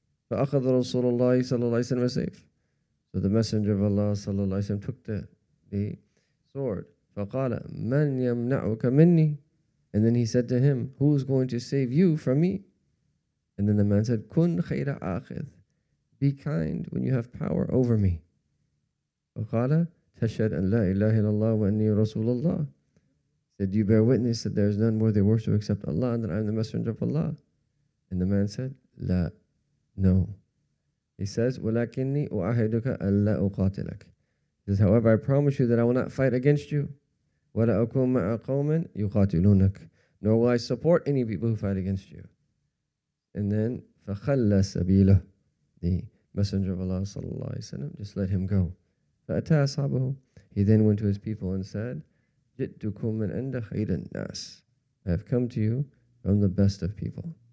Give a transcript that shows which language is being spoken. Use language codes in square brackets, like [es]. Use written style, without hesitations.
[ar] فَأَخَذَ رَسُولُ اللَّهِ صَلَى اللَّهِ سَلَى اللَّهِ سَلَى. [en] So the Messenger of Allah [ar] صلى الله عليه وسلم [en] took the sword. [ar] فَقَالَ مَنْ يَمْنَعُكَ مِنِّي. [en] And then he said to him, who's going to save you from me? And then the man said, [ar] "Kun khayra akhidh, [en] be kind when you have power over me." [ar] وقال تشهد أن لا إله إلا الله وأني رسول الله. [en] Said, "Do you bear witness that there is none worthy of worship except Allah, and that I am the Messenger of Allah?" And the man said, "لا, no." He says, [ar] "ولكني أعهدك أن لا أقاتلك." [en] He says, "However, I promise you that I will not fight against you. [ar] ولا أكون مع قوم يقاتلونك. [en] Nor will I support any people who fight against you." And then [ar] فَخَلَّ سَبِيلَهُ, [en] the Messenger of Allah sallallahu alaihi wasallam just let him go. [ar] فَأَتَى أَصْحَابَهُ, [en] he then went to his people and said, [ar] جِئْتُكُمْ مِنْ عِنْدَ خَيْرِ النَّاسِ, [en] I have come to you from the best of people.